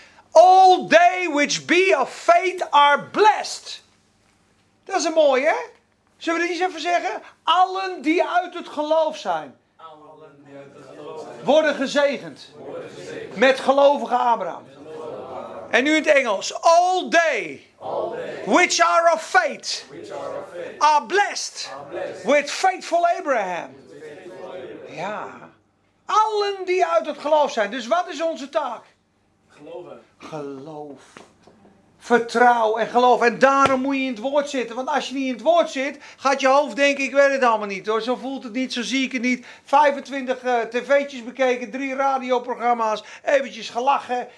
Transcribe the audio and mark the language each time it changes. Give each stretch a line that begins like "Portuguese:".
English: All they which be of faith are blessed.
Dutch: Dat is een mooie, hè? Zullen we dat eens even zeggen? Allen die uit het geloof zijn. Worden gezegend. Met gelovige Abraham. En nu in het Engels.
English: All they which are of faith are blessed with faithful Abraham.
Dutch: Ja. Allen die uit het geloof zijn. Dus wat is onze taak? Geloven. Geloof. Vertrouw en geloof. En daarom moet je in het woord zitten. Want als je niet in het woord zit, gaat je hoofd denken, ik weet het allemaal niet hoor. Zo voelt het niet, zo zie ik het niet. 25 tv'tjes bekeken, 3 radioprogramma's, eventjes gelachen.